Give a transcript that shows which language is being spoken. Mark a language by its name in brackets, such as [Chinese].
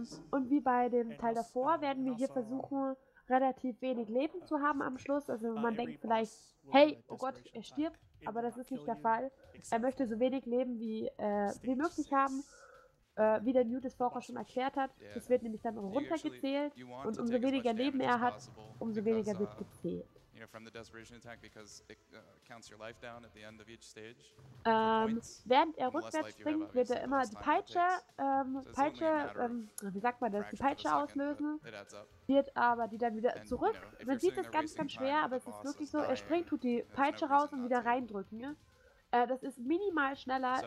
[German] Und wie bei dem Teil davor werden wir hier versuchen, relativ wenig Leben zu haben am Schluss. Also man denkt vielleicht, hey, oh Gott, er stirbt, aber das ist nicht der Fall. Er möchte so wenig Leben wie möglich haben, wie der Newt es vorher schon erklärt hat. Das wird nämlich dann runtergezählt und umso weniger Leben er hat, umso weniger wird gezählt. [English] You know, from the desperation attack, because it counts your life down at the end of each stage. [German] Während er rückwärts springt, wird er immer die Peitsche auslösen. Wird aber die dann wieder zurück. Man sieht es ganz, ganz schwer, aber es ist wirklich so. Er springt, tut die Peitsche raus und wieder reindrücken. Das ist minimal schneller.